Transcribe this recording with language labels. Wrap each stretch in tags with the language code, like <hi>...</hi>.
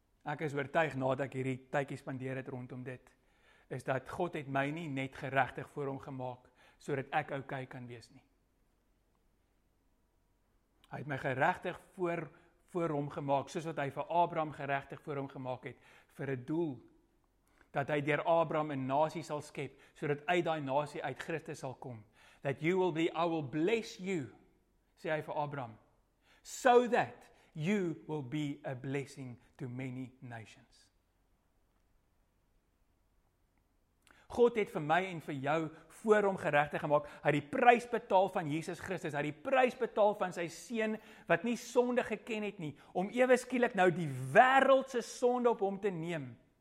<af>Ek is oortuig nadat ek hierdie tydjie spandeer het rondom dit, is dat God het my nie net geregtig voor hom gemaak sodat ek okay kan wees nie. Hy het my geregtig voor hom gemaak, soos wat hy vir Abraham geregtig voor hom gemaak het, vir 'n doel, dat hy deur Abraham 'n nasie sal skep, sodat uit daai nasie uit Christus sal kom.</af> <en>That you will be, I will bless you,</en> <af>sê hy vir Abraham,</af> <en>so that you will be a blessing to many nations.</en> <af>God het vir my en vir jou voor hom geregtig gemaak. Hy het die prys betaal van Jesus Christus. Hy het die prys betaal van sy seun wat nie sonde geken het nie. Om ewe skielik nou die wêreld se sonde op hom te neem.</af>